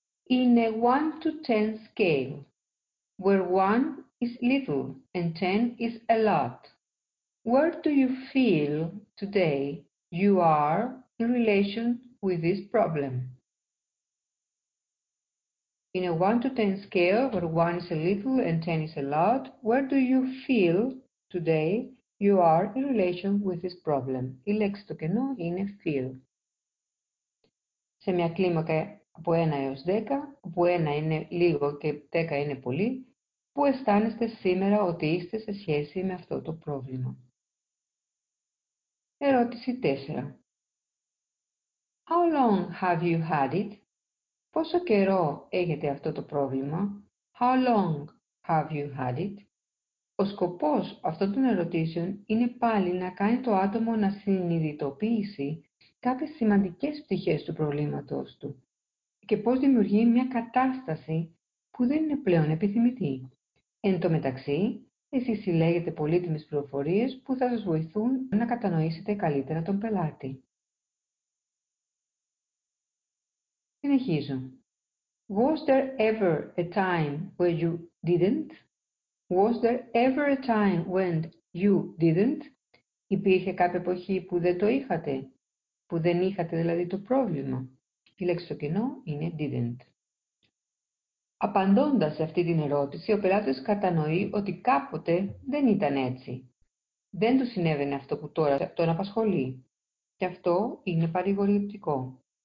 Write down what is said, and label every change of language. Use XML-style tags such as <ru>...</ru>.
<en>In a 1 to 10 scale, where 1 is little and 10 is a lot, where do you feel today you are in relation with this problem? In a 1 to 10 scale, where 1 is a little and 10 is a lot, where do you feel today you are in relation with this problem?</en> <el>Η λέξη το κενό είναι feel. Σε μια κλίμακα από 1 έως 10, όπου 1 είναι λίγο και 10 είναι πολύ, πού αισθάνεστε σήμερα ότι είστε σε σχέση με αυτό το πρόβλημα? Ερώτηση 4.</el> <en>How long have you had it?</en> <el>Πόσο καιρό έχετε αυτό το πρόβλημα?</el> <en>How long have you had it?</en> <el>Ο σκοπός αυτών των ερωτήσεων είναι πάλι να κάνει το άτομο να συνειδητοποιήσει κάποιες σημαντικές πτυχές του προβλήματός του και πώς δημιουργεί μια κατάσταση που δεν είναι πλέον επιθυμητή. Εν τω μεταξύ, εσείς συλλέγετε πολύτιμες πληροφορίες που θα σας βοηθούν να κατανοήσετε καλύτερα τον πελάτη. Συνεχίζω.</el> <en>Was there ever a time where you didn't? Was there ever a time when you didn't?</en> <el>Υπήρχε κάποια εποχή που δεν το είχατε, που δεν είχατε δηλαδή το πρόβλημα. Η λέξη στο κοινό είναι didn't. Απαντώντας σε αυτή την ερώτηση, ο πελάτης κατανοεί ότι κάποτε δεν ήταν έτσι. Δεν του συνέβαινε αυτό που τώρα τον απασχολεί. Και αυτό είναι παρηγορητικό.</el>